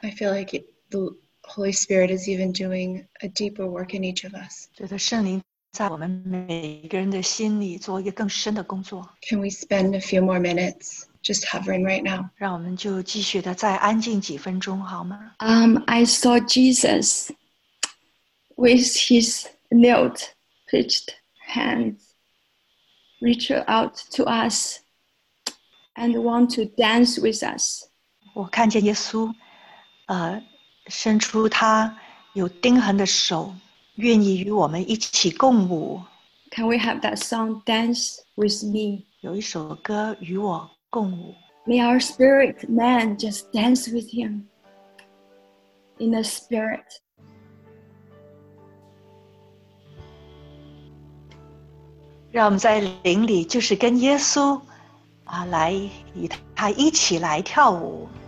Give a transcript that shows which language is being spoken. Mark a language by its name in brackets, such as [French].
[English] I feel like the Holy Spirit is even doing a deeper work in each of us. [Chinese] 觉得圣灵在我们每个人的心里做一个更深的工作。 [English] Can we spend a few more minutes just hovering right now? [Chinese] 让我们就继续的再安静几分钟好吗？ [English] I saw Jesus with his nailed, pitched hands. Reach out to us and want to dance with us. [Chinese] 我看见耶稣，伸出他有钉痕的手，愿意与我们一起共舞。 [English] Can we have that song, Dance with Me? [Chinese] 有一首歌与我共舞。 [English] May our spirit man just dance with him in the spirit. [Chinese] 让我们在灵里就是跟耶稣啊，来与他一起来跳舞。